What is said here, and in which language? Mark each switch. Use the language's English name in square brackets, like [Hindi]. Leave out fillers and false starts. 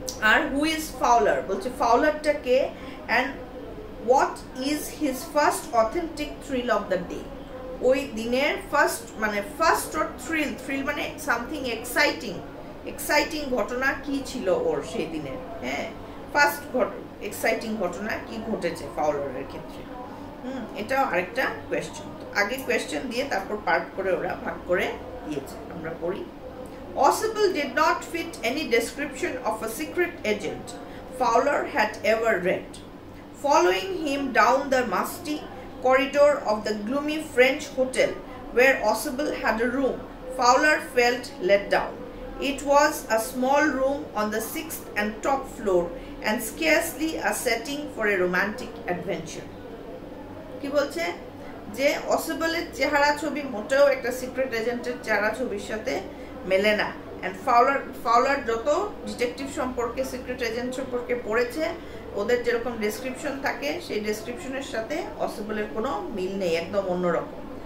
[Bangla] আর [English] who is Fowler [Bangla] বলছে, ফাউলারটা কে, [English] and what is his first authentic thrill of the day, [Bangla] ওই দিনের first মানে first ওর thrill, thrill মানে [English] something exciting, [Bangla] exciting ঘটনা কী ছিল ওর সেই দিনের। হ্যাঁ, ফার্স্ট এক্সাইটিং ঘটনা কী ঘটেছে ফাউলারের ক্ষেত্রে, এটাও আরেকটা কোয়েশ্চেন। আগে কোয়েশ্চেন দিয়ে তারপর পার্ট করে ওরা ভাগ করে দিয়েছে, আমরা পড়ি। [English] Possible did not fit any description of a secret agent Fowler had ever read. Following him down the musty corridor of the gloomy French hotel where Possible had a room, Fowler felt let down. It was a small room on the 6th and top floor and scarcely a setting for a romantic adventure. [Bangla] কি বলছে যে অসেবলের চেহারা ছবি মোটেও একটা secret এজেন্টের চেহারা ছবির সাথে মেলে না। অ্যান্ড ফাউলার যত ডিটেকটিভ সম্পর্কে সিক্রেট এজেন্ট সম্পর্কে পড়েছে ওদের যেরকম ডেসক্রিপশন থাকে সেই ডেসক্রিপশনের সাথে অসেবলের কোনো মিল নেই, একদম অন্যরকম।